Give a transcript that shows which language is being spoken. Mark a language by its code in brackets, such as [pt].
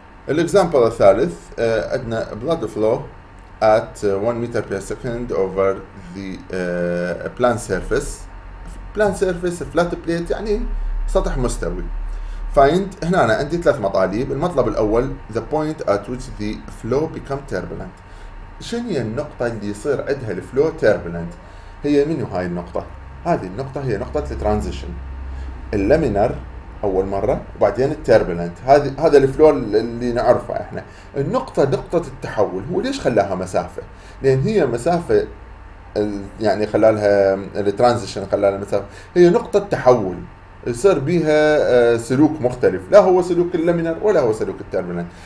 [ar] الاكزامبل الثالث عندنا [en] blood flow at 1 meter per second over the plane surface. Plane surface flat plate [ar] يعني سطح مستوي. [en] Find [ar] هنا أنا عندي ثلاث مطالب. المطلب الأول [en] the point at which the flow become turbulent. [ar] شن هي النقطة اللي يصير عندها الفلو turbulent؟ هي منو هاي النقطة؟ هذه النقطة هي نقطة الترانزيشن. اللامينر أول مرة وبعدين التيربلنت، هذا الفلو اللي نعرفه إحنا. النقطة نقطة التحول، هو ليش خلاها مسافة؟ لأن هي مسافة يعني خلالها الترانزيشن خلالها مسافة، هي نقطة تحول يصير بها سلوك مختلف، لا هو سلوك اللامينر ولا هو سلوك التيربلنت.